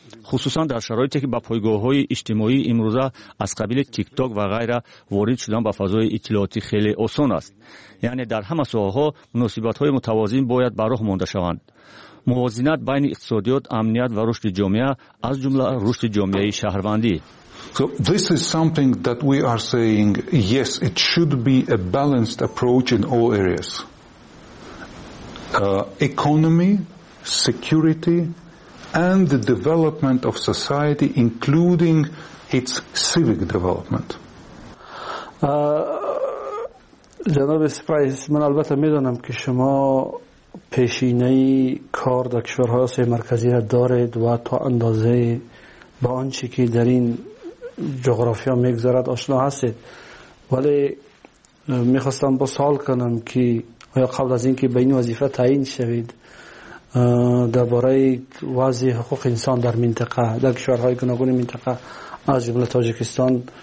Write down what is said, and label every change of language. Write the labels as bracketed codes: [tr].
[fa] خصوصا در شرایطی که با پایگاه های اجتماعی امروزه از قبیل تیک تاک و غیره وارد شدن به فضای اطلاعاتی خیلی آسان است. یعنی در همه ساحه ها مناسبت های متوازن باید براه مانده شوند. موازنت بین اقتصادیات، امنیت و رشد جامعه از جمله رشد جامعه شهروندی. [en] So this is something that we are saying, yes, it should be a balanced approach in all areas. Economy, security and the development of society, including its civic development. [fa] جناب سپرایز، من البته میدونم که شما پیشینه کار در کشورهای سه مرکزی را دارید و تا اندازه با آنچه که در این جغرافیا میگذرد آشنا هستید، ولی میخواستم با سوال کنم که آیا قبل از اینکه به این وظیفه تعیین شوید درباره وضع حقوق انسان در منطقه، در کشورهای گوناگون منطقه از جمله تاجیکستان